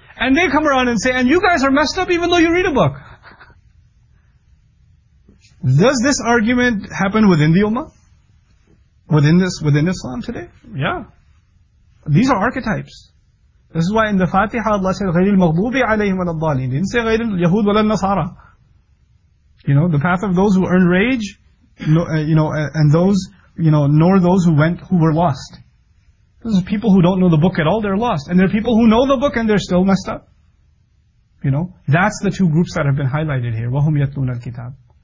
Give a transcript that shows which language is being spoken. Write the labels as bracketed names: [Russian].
[English] And they come around and say, and you guys are messed up even though you read a book. Does this argument happen within the Ummah? Within Islam today? Yeah. These are archetypes. This is why in the Fatiha, Allah said, [Arabic] غَيْرِ الْمَغْضُوبِ عَلَيْهِمْ وَلَا الضَّالِينَ. [English] He didn't say [Arabic] غَيْرِ الْيَهُودِ وَلَا النَّصَارَى. [English] You know, the path of those who earned rage, you know, and those, you know, nor those who were lost. Those are people who don't know the book at all, they're lost. And there are people who know the book and they're still messed up. You know, that's the two groups that have been highlighted here. [Arabic] وَهُمْ يَتْلُونَ الْكِتَابِ.